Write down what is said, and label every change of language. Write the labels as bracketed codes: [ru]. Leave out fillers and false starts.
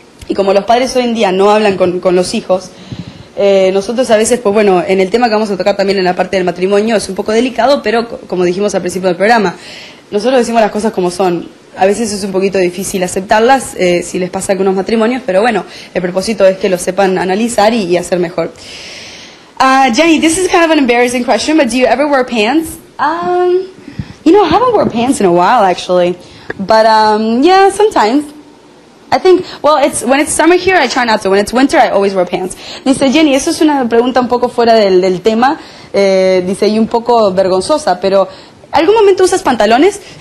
[es] Y como los padres hoy en día no hablan con los hijos, nosotros a veces, pues bueno, en el tema que vamos a tocar también en la parte del matrimonio es un poco delicado, pero como dijimos al principio del programa, nosotros decimos las cosas como son. A veces es un poquito difícil aceptarlas si les pasa algunos matrimonios, pero bueno, el propósito es que lo sepan analizar y hacer mejor. [en] Jenny, this is kind of an embarrassing question, but do you ever wear pants? You know, I haven't worn pants in a while, actually. But yeah, sometimes. I think, well, it's when it's summer here, I try not to. When it's winter, I always wear pants. [es] Dice, Jenny, eso es una pregunta un poco fuera del tema, dice, y un poco vergonzosa, pero ¿algún momento usas pantalones?